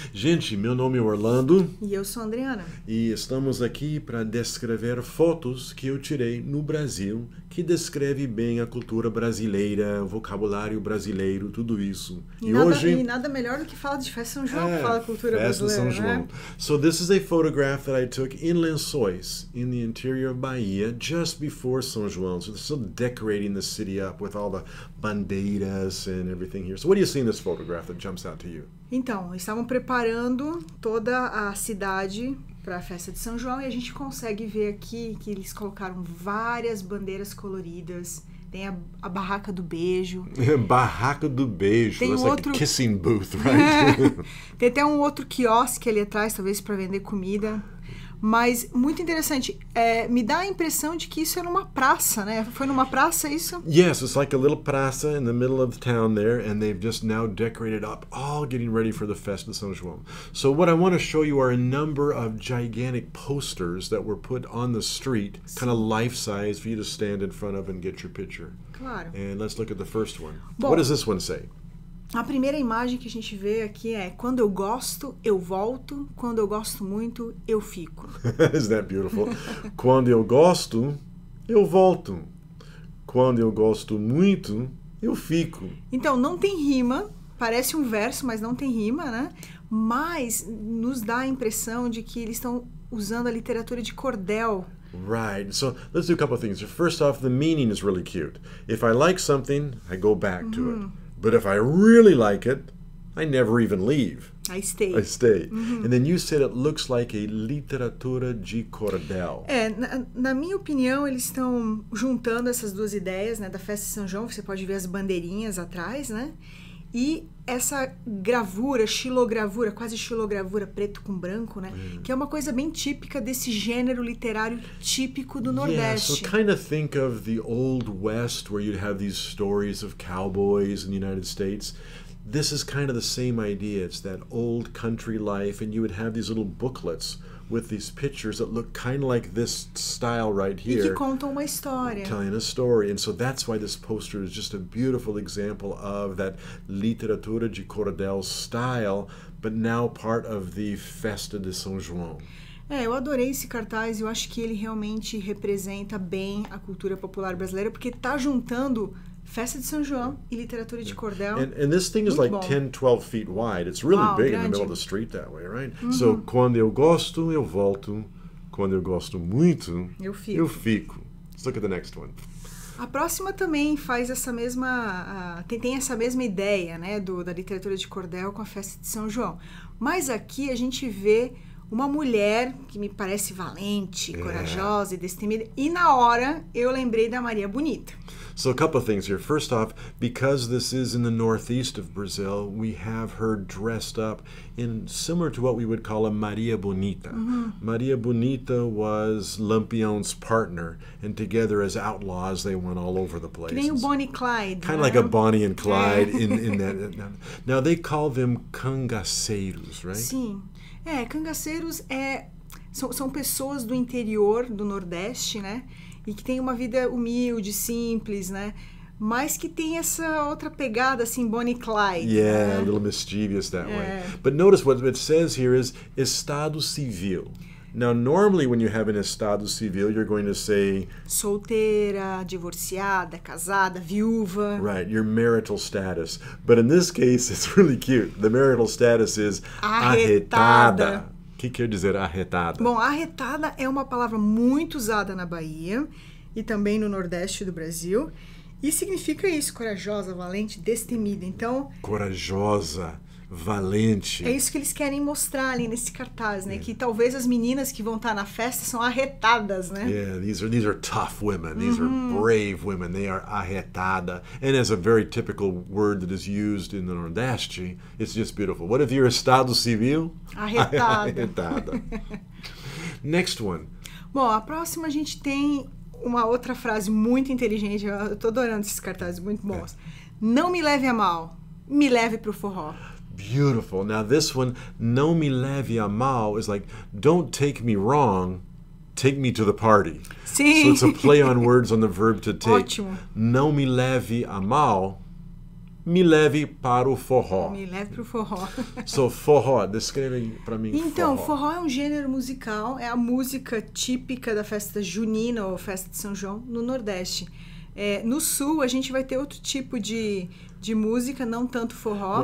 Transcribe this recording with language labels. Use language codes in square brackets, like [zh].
[pt] Gente, meu nome é Orlando. E eu sou a Adriana. E estamos aqui para descrever fotos que eu tirei no Brasil, que descreve bem a cultura brasileira, o vocabulário brasileiro, tudo isso. E nada, hoje... e nada melhor do que falar de Festa de São João, que fala a cultura Festa brasileira, de São João. Né? [en] So this is a photograph that I took in Lençóis, in the interior of Bahia, just before São João. So they're still decorating the city up with all the bandeiras and everything here. So what do you see in this photograph that jumps out to you? [pt] Então, estavam preparando toda a cidade para a Festa de São João, e a gente consegue ver aqui que eles colocaram várias bandeiras coloridas. Tem a Barraca do Beijo. Barraca do Beijo. Tem outro... [en] like a kissing booth, right? [pt] Tem até um outro quiosque ali atrás, talvez para vender comida. Mas, muito interessante, me dá a impressão de que isso era uma praça, né? Foi numa praça isso? [en] Yes, it's like a little praça in the middle of the town there, and they've just now decorated up, all getting ready for the Fest de São João. So what I want to show you are a number of gigantic posters that were put on the street, kind of life-size, for you to stand in front of and get your picture. [pt] Claro. [en] And let's look at the first one. [pt] Bom, [en] what does this one say? [pt] A primeira imagem que a gente vê aqui é: quando eu gosto, eu volto. Quando eu gosto muito, eu fico. [en] Isn't that beautiful? [pt] Quando eu gosto, eu volto. Quando eu gosto muito, eu fico. Então, não tem rima. Parece um verso, mas não tem rima, né? Mas nos dá a impressão de que eles estão usando a literatura de cordel. [en] Right. So, let's do a couple of things. First off, the meaning is really cute. If I like something, I go back to it. But if I really like it, I never even leave. I stay. Mm-hmm. And then you said it looks like a literatura de cordel. [pt] É, na minha opinião, eles estão juntando essas duas ideias, né? Da Festa de São João, você pode ver as bandeirinhas atrás, né? E essa gravura, xilogravura, quase xilogravura, preto com branco, né? Que é uma coisa bem típica desse gênero literário típico do Nordeste. [en] Yeah, so kind of think of the Old West, where you'd have these stories of cowboys in the United States. This is kind of the same idea. It's that old country life, and you would have these little booklets with these pictures that look kind of like this style right here. [pt] E que contam uma história. [en] Telling a story. And so that's why this poster is just a beautiful example of that literatura de cordel style, but now part of the Festa de São João. [pt] É, eu adorei esse cartaz. Eu acho que ele realmente representa bem a cultura popular brasileira, porque tá juntando Festa de São João e literatura de cordel. [en] And this thing is [pt] muito [en] like [pt] bom. [en] 10, 12 feet wide. It's really [pt] Uau, [en] big [pt] grande. [en] In the middle of the street that way, right? Uhum. [pt] So, quando eu gosto, eu volto. Quando eu gosto muito, eu fico. Eu fico. [en] Let's look at the next one. [pt] A próxima também faz essa mesma... tem essa mesma ideia, né? Da literatura de cordel com a Festa de São João. Mas aqui a gente vê uma mulher que me parece valente, corajosa e destemida. E na hora, eu lembrei da Maria Bonita. [en] So a couple of things here. First off, because this is in the northeast of Brazil, we have her dressed up in similar to what we would call a Maria Bonita. Mm-hmm. Maria Bonita was Lampião's partner, and together as outlaws, they went all over the place. [pt] Que nem o Bonnie and Clyde. [en] Kind of like a Bonnie and Clyde in that. Now, they call them cangaceiros, right? [pt] Sim. É, cangaceiros são pessoas do interior, do Nordeste, né? E que tem uma vida humilde, simples, né? Mas que tem essa outra pegada, assim, Bonnie Clyde. [en] Yeah, [pt] né? [en] A little mischievous that [pt] é. [en] Way. But notice what it says here is Estado Civil. Now, normally when you have an Estado Civil, you're going to say... [pt] solteira, divorciada, casada, viúva. [en] Right, your marital status. But in this case, it's really cute. The marital status is... [pt] arretada. O que quer dizer arretada? Bom, arretada é uma palavra muito usada na Bahia e também no Nordeste do Brasil. E significa isso, corajosa, valente, destemida. Então... corajosa, valente. É isso que eles querem mostrar ali nesse cartaz, né? É. Que talvez as meninas que vão estar na festa são arretadas, né? [en] Yeah, these are tough women. These are brave women. They are arretada. And as a very typical word that is used in the Nordeste, it's just beautiful. What if you're Estado Civil? [pt] Arretada. [en] Arretada. Next one. [pt] Bom, a próxima a gente tem uma outra frase muito inteligente. Eu tô adorando esses cartazes, muito bons. Não me leve a mal, me leve pro forró. [en] Beautiful. Now this one, [pt] não me leve a mal, [en] is like, don't take me wrong, take me to the party. [pt] Sim. [en] So it's a play on words on the verb to take. [pt] Ótimo. Não me leve a mal, me leve para o forró. Me leve para o forró. So forró, descreve para mim. Então, forró. Forró é um gênero musical, é a música típica da festa junina ou festa de São João no Nordeste. É, no Sul, a gente vai ter outro tipo de música, não tanto forró.